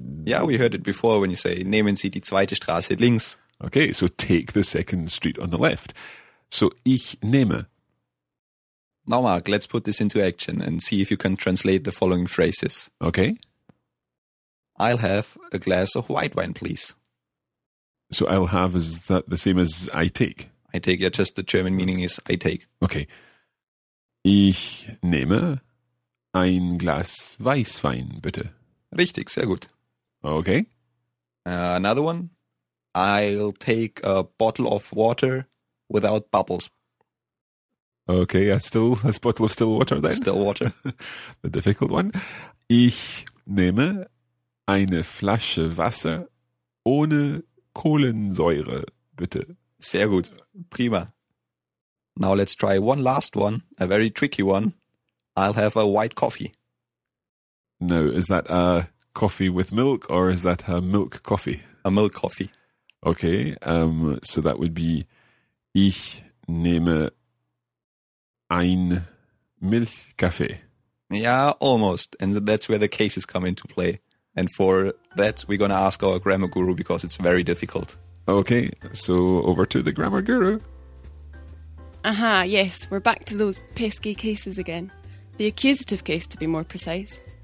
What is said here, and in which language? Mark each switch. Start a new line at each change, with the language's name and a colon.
English: Yeah, we heard it before when you say nehmen Sie die zweite Straße links. Okay, so take the second street on the left.
German: So ich nehme.
English: Now, Mark, let's put this into action and see if you can translate the following phrases. Okay. I'll have a glass of white wine, please. So I'll have, is that the same as I take? I take, yeah, just the German meaning is I take. Okay.
German: Ich nehme ein Glas Weißwein, bitte. Richtig, sehr gut.
English: Okay. Another one. I'll take a bottle of water without bubbles. Okay, a bottle of still water then. Still water. The difficult one.
German: Ich nehme eine Flasche Wasser ohne Kohlensäure, bitte. Sehr gut. Prima.
English: Now let's try one last one, a very tricky one. I'll have a white coffee. Now, is that a coffee with milk or is that a milk coffee? A milk coffee. Okay, so that would be ich nehme ein Milchkaffee. Yeah, almost. And that's where the cases come into play. And for that, we're going to ask our grammar guru because it's very difficult. Okay, so over to the grammar guru. Aha, yes, we're back to those pesky cases again. The accusative case, to be more precise.